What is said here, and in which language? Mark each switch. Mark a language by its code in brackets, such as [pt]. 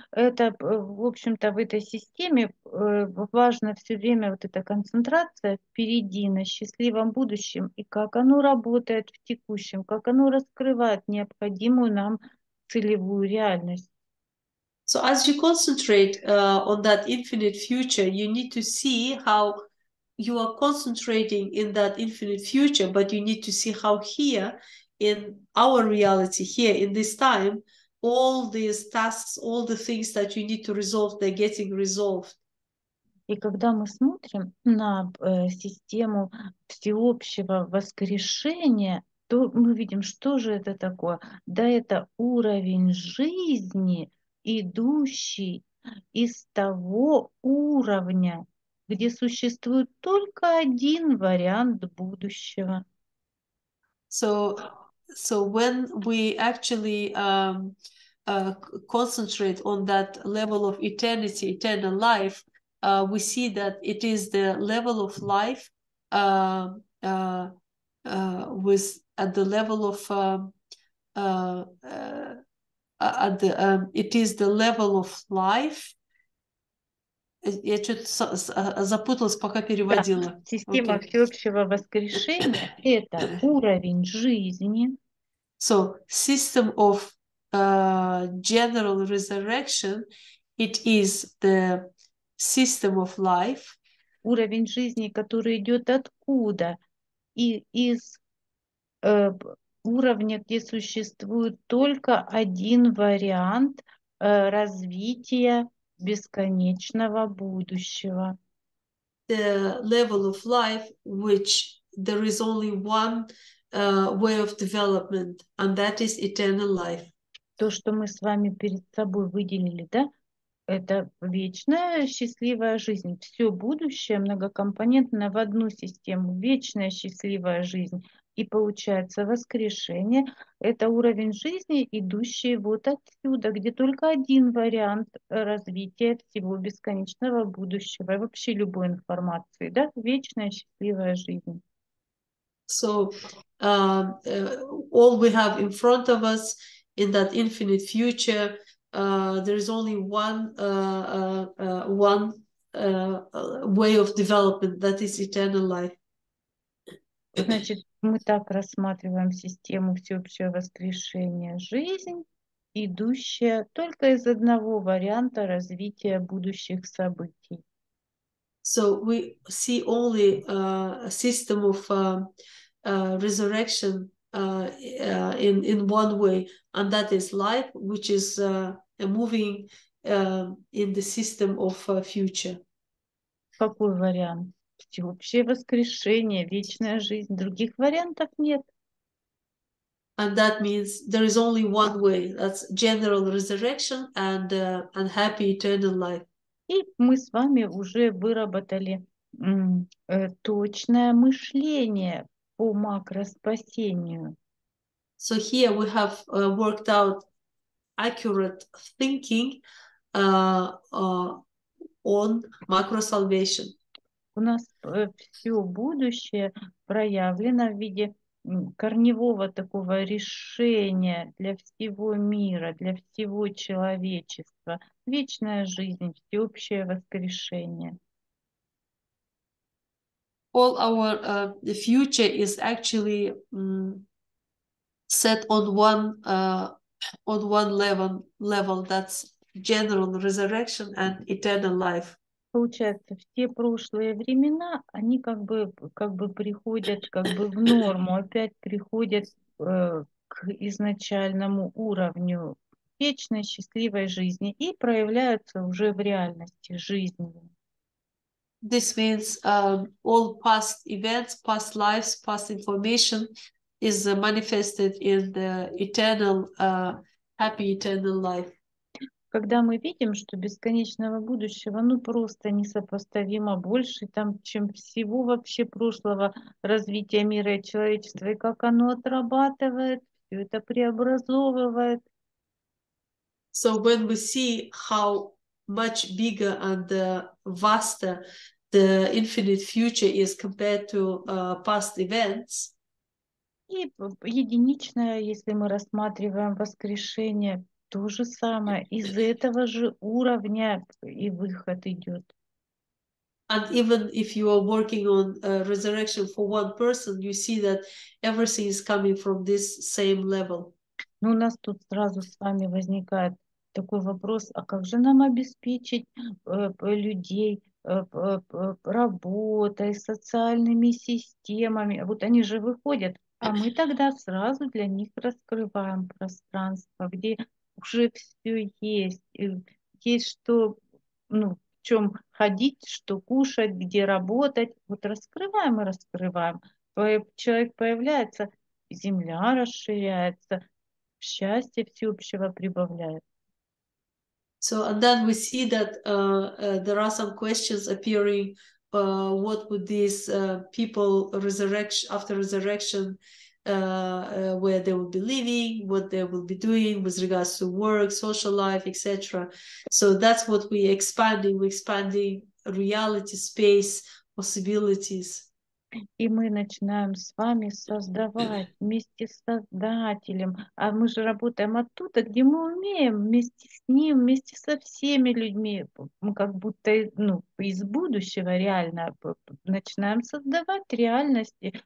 [ru] Это, в общем-то, в этой системе важно все время вот эта концентрация впереди на счастливом будущем и как оно работает в текущем, как оно раскрывает необходимую нам целевую реальность. [en] So as you concentrate on that infinite future, you need to see how you are concentrating in that infinite future, but you need to see how here, in our reality, here, in this time, all these tasks, all the things that you need to resolve, they're getting resolved. [ru] И когда мы смотрим на систему всеобщего воскрешения, то мы видим, что же это такое. Да, это уровень жизни, идущий из того уровня, где существует только один вариант будущего. [en] So when we actually concentrate on that level of eternity, eternal life, we see that it is the level of life with at the level of at the it is the level of life. [ru] Я что-то запуталась, пока переводила. Да. Система okay. всеобщего воскрешения – это уровень жизни. [en] So, system of general resurrection, it is the system of life. [ru] Уровень жизни, который идет откуда? И из уровня, где существует только один вариант развития бесконечного будущего. [en] The level of life, which there is only one way of development, and that is eternal life. [ru] То, что мы с вами перед собой выделили, да, это вечная счастливая жизнь. Все будущее многокомпонентно в одну систему. Вечная счастливая жизнь. И получается, воскрешение – это уровень жизни, идущий вот отсюда, где только один вариант развития всего бесконечного будущего и вообще любой информации, да? Вечная счастливая жизнь. [en] So all we have in front of us in that infinite future, there is only one one way of development, that is eternal life. [ru] Значит, мы так рассматриваем систему всеобщего воскрешения, жизнь, идущая только из одного варианта развития будущих событий. [en] So we see only a system of resurrection in one way, and that is life, which is moving in the system of future. [ru] Какой вариант? Всеобщее воскрешение, вечная жизнь. Других вариантов нет. [en] And that means there is only one way. That's general resurrection and happy eternal life. [ru] И мы с вами уже выработали точное мышление по макроспасению. [en] So here we have worked out accurate thinking on macro salvation. [ru] У нас все будущее проявлено в виде корневого такого решения для всего мира, для всего человечества. Вечная жизнь, всеобщее воскрешение. [en] All our future is actually set on one level, that's general resurrection and eternal life. [ru] Получается, все прошлые времена, они как бы приходят как бы в норму, опять приходят к изначальному уровню вечной счастливой жизни и проявляются уже в реальности жизни. [en] This means all past events, past lives, past information is manifested in the eternal, happy eternal life. [ru] Когда мы видим, что бесконечного будущего, ну, просто несопоставимо больше, там, чем всего вообще прошлого развития мира и человечества, и как оно отрабатывает, все это преобразовывает. [en] So when we see how much bigger and vaster the infinite future is compared to past events, [ru] и единичное, если мы рассматриваем воскрешение, то же самое, из этого же уровня и выход идет. [en] And even if you are working on resurrection for one person, you see that everything is coming from this same level. [ru] Ну, у нас тут сразу с вами возникает такой вопрос, а как же нам обеспечить людей работой, социальными системами? Вот они же выходят, а мы тогда сразу для них раскрываем пространство, где уже все есть, есть что, ну, в чем ходить, что кушать, где работать. Вот раскрываем и раскрываем. Человек появляется, земля расширяется, счастье всеобщего прибавляет. [en] So, and then we see that there are some questions appearing. What would these people resurrection after resurrection? Where they will be living, what they will be doing with regards to work, social life, etc. So that's what we're expanding reality, space, possibilities. [ru] И мы начинаем с вами создавать вместе с Создателем. А мы же работаем оттуда, где мы умеем, вместе с Ним, вместе со всеми людьми. Мы как будто, ну, из будущего реально начинаем создавать реальности.